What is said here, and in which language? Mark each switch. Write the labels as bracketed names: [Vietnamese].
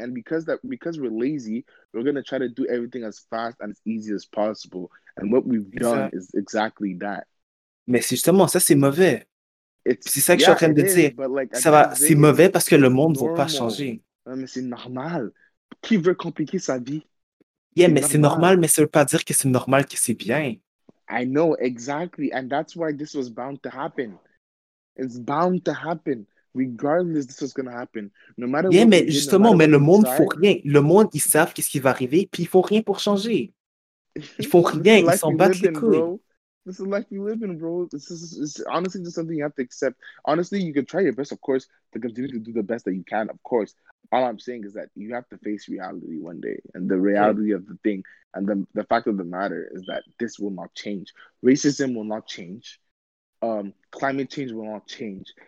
[English] And because we're lazy, we're going to try to do everything as fast and as easy as possible. And what we've done is exactly that. [French] Mais c'est justement ça, c'est mauvais. C'est ça que je suis en train de dire. Like, ça va, c'est mauvais parce que le monde ne va pas changer. Non, mais c'est normal. Qui veut compliquer sa vie? C'est normal, mais ça ne veut pas dire que c'est normal, que c'est bien. [English] I know, exactly. And that's why this was bound to happen. It's bound to happen. Regardless, this is going to happen. No matter what. [French] Mais justement, le monde ne fait rien. Le monde, ils savent qu'est-ce qui va arriver, puis ils ne font rien pour changer. Il faut rien, ils s'en battent les couilles. [English] This is the life you live in, bro. This is honestly just something you have to accept. Honestly, you can try your best, of course, to continue to do the best that you can, of course. All I'm saying is that you have to face reality one day, and the reality of the thing, and the fact of the matter is that this will not change. Racism will not change. Climate change will not change.